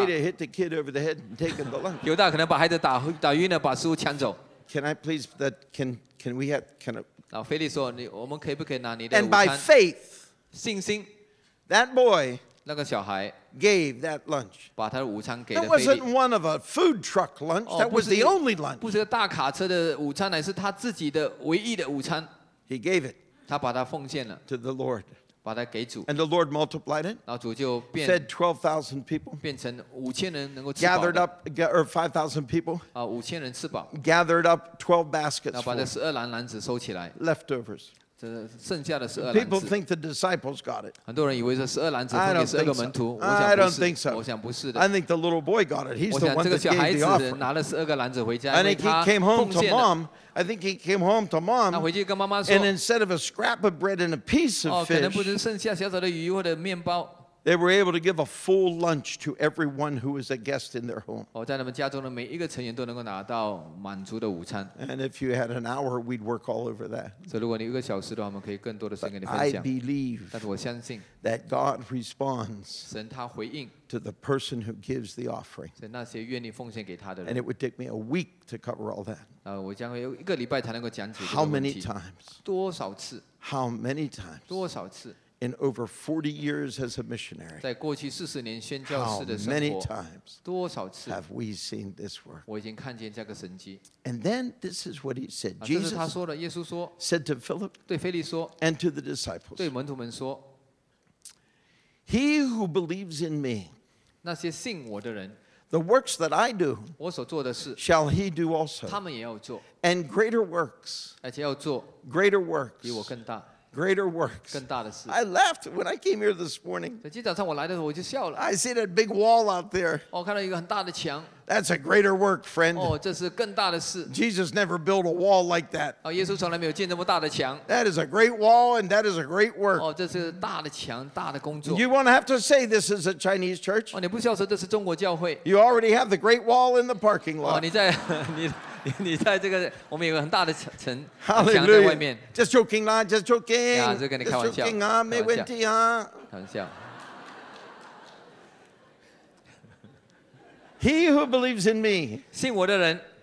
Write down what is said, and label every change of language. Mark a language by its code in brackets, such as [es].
[en] Peter hit the kid over the head and taken the lunch. [zh] 犹大可能把孩子打晕了，把食物抢走。 [en] Can I please that? Can we have? Can I? [zh] 然后腓力说：“你我们可以不可以拿你的午餐？” [en] And by faith, [zh] 信心 [en] ，that boy [zh] 那个小孩 [en] gave that lunch. [zh] 把他的午餐给了腓力。 [en] That wasn't one of a food truck lunch. That was the only lunch. [zh] 不是个大卡车的午餐，乃是他自己的唯一的午餐。 [en] He gave it. [zh] 他把它奉献了 [en] to the Lord. [zh] 把它给主。 [en] And the Lord multiplied it. [zh] 然后主就变。 [en] Fed 12,000 people. [zh] 变成五千人能够吃饱。 [en] Gathered up, or 5,000 people. [zh] 啊，五千人吃饱。 [en] Gathered up 12 baskets. [zh] 然后把这十二篮篮子收起来。 [en] Leftovers. [zh] 剩下的十二篮子。 [en] People think the disciples got it. [zh] 很多人以为这十二篮子分给十二个门徒。 [en] I don't think so. [zh] 我想不是的。 [en] I think the little boy got it. He's the one that gave the offer. [zh] 拿了十二个篮子回家。 [en] I think he came home to mom. I think he came home to mom. [zh] 回去跟妈妈说。 [en] And instead of a scrap of bread and a piece of fish, [zh] 可能不是剩下小小的鱼或者面包。 [en] They were able to give a full lunch to everyone who was a guest in their home. [zh] 哦，在他们家中的每一个成员都能够拿到满足的午餐。 [en] And if you had an hour, we'd work all over that. [zh] 所以，如果你一个小时的话，我们可以更多的时间跟你分享。 [en] I believe. [zh] 但是我相信。 [en] That God responds. [zh] 神他回应。 [en] To the person who gives the offering. [zh] 是那些愿意奉献给他的人。 [en] And it would take me a week to cover all that. [zh] 我将会有一个礼拜才能够讲解这个问题。 [en] How many times? [zh] 多少次 [en] ？How many times? [zh] 多少次？ [en] In over 40 years as a missionary, [zh] 在过去四十年宣教士的生活， [en] how many times [zh] 多少次 [en] have we seen this work? [zh] 我已经看见这个神迹。 [en] And then this is what he said. Jesus, [zh] 这是他说的。耶稣说， [en] said to Philip, [zh] 对腓力说， [en] and to the disciples, [zh] 对门徒们说， [en] He who believes in me, [zh] 那些信我的人。 [en] The works that I do, [zh] 我所做的事, [en] shall he do also? [zh] 他们也要做。 [en] And greater works, [zh] 而且要做。 [en] Greater works, [zh] 比我更大。 [en] Greater works. [zh] 更大的事。 [en] I laughed when I came here this morning. [zh] 今天早上我来的时候我就笑了。 [en] I see that big wall out there. [zh] 我看到一个很大的墙。 [en] That's a greater work, friend. [zh] 哦，这是更大的事。 [en] Jesus never built a wall like that. [zh] 哦，耶稣从来没有建这么大的墙。 [en] That is a great wall, and that is a great work. [zh] 哦，这是大的墙，大的工作。 [en] You won't have to say this is a Chinese church. [zh] 哦，你不需要说这是中国教会。 [en] You already have the great wall in the parking lot. [zh] 哦，你在你。你在这个，我们有个很大的墙墙在外面。 [en] Just joking 啦 ，just joking。 [zh] 啊，就跟你开玩笑。 [en] Just joking [zh] 啊，没问题啊。开玩笑。 [en] He who believes in me， [zh] 信我的人